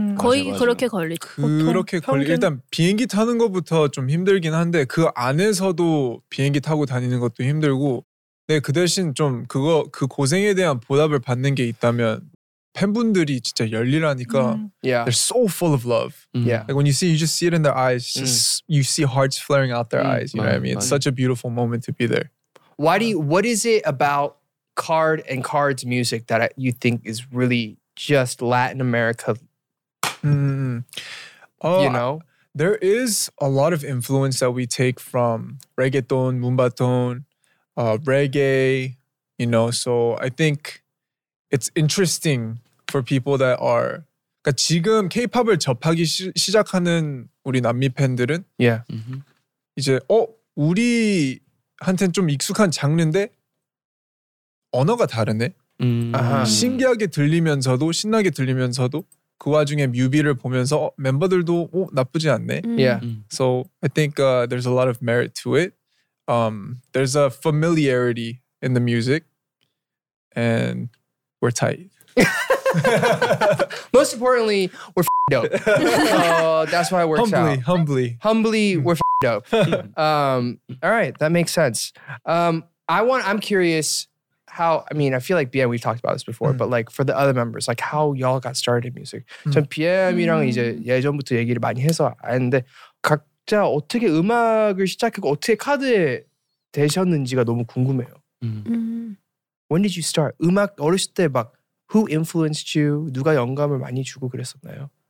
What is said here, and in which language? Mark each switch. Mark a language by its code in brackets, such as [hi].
[ko] 거의 맞아. 그렇게 걸리죠. 그렇게 걸리죠. 일단 비행기 타는 것부터 좀 힘들긴 한데 그 안에서도 비행기 타고 다니는 것도 힘들고 근데 그 대신 좀 그 고생에 대한 보답을 받는 게 있다면 팬분들이 진짜 열일하니까 [en] yeah. They're so full of love. Yeah. Like when you see, you just see it in their eyes. You see hearts flaring out their eyes. You know what I mean? It's such a beautiful moment to be there. What is it about Card and Card's music that you think is really just Latin America? There is a lot of influence that we take from reggaeton, mumbaton, reggae, you know. So I think it's interesting for people that are [ko] 그러니까 지금 K-pop을 접하기 시작하는 우리 남미 팬들은 [en] yeah. mm-hmm. [ko] 이제 우리 한텐 좀 익숙한 장르인데 언어가 다르네. 신기하게 들리면서도 신나게 들리면서도 그 와중에 뮤비를 보면서 멤버들도 나쁘지 않네. [en] Yeah. So I think there's a lot of merit to it. There's a familiarity in the music, and we're tight. Most importantly, we're f***ed up. That's why it works humbly, out. Humbly, we're f***ed up. All right, that makes sense. I'm curious, how, I mean, I feel like BM, we've talked about this before, but like for the other members, like how y'all got started in music. [ko] 전 BM이랑 이제 예전부터 얘기를 많이 해서 아는데 각자 어떻게 음악을 시작하고 어떻게 카드에 되셨는지가 너무 궁금해요. [en] When did you start? [ko] 음악 어렸을 때 막 [en] who influenced you? [ko] 누가 영감을 많이 주고 그랬었나요?